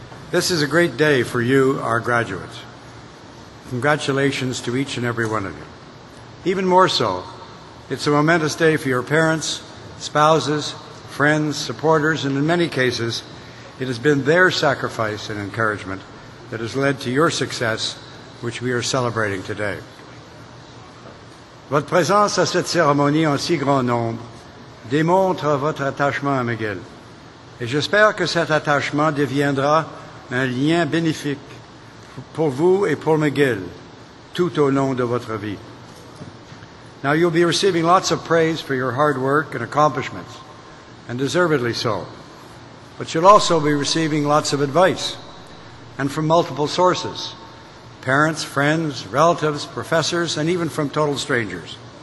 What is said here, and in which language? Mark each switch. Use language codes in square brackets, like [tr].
[en] This is a great day for you, our graduates. Congratulations to each and every one of you. Even more so, it's a momentous day for your parents, spouses, friends, supporters, and in many cases, it has been their sacrifice and encouragement that has led to your success, which we are celebrating today. [fr] Votre présence à cette cérémonie en si grand nombre démontre votre attachement à McGill, et j'espère que cet attachement deviendra un lien bénéfique pour vous et pour McGill tout au long de votre vie. [en] Now, you'll be receiving lots of praise for your hard work and accomplishments, and deservedly so. But you'll also be receiving lots of advice, and from multiple sources, parents, friends, relatives, professors, and even from total strangers.